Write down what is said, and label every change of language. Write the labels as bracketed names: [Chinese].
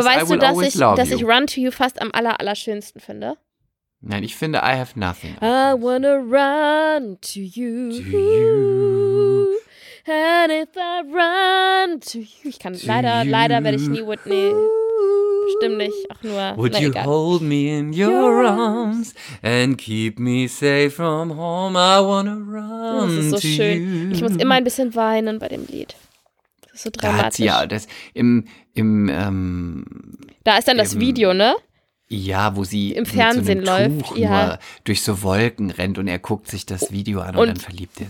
[German] es [English] I Will Always [German] Love You. Aber weißt du, dass ich Run to You fast am allerallerschönsten finde? Nein, ich finde I Have Nothing. [English] I wanna run to you. And if I run to you. [German] Ich kann, leider werde ich nie Whitney. Stimmt nicht, auch nur. [English] Would you hold me in your arms and keep me safe from home? I wanna run to you. [German] Das ist so schön. Ich muss immer ein bisschen weinen bei dem Lied. Das ist so dramatisch. Ja, das im da ist dann das Video, ne? Ja, wo sie im Fernsehen mit so einem läuft, Tuch nur durch so Wolken rennt und er guckt sich das Video an und dann verliebt er sich.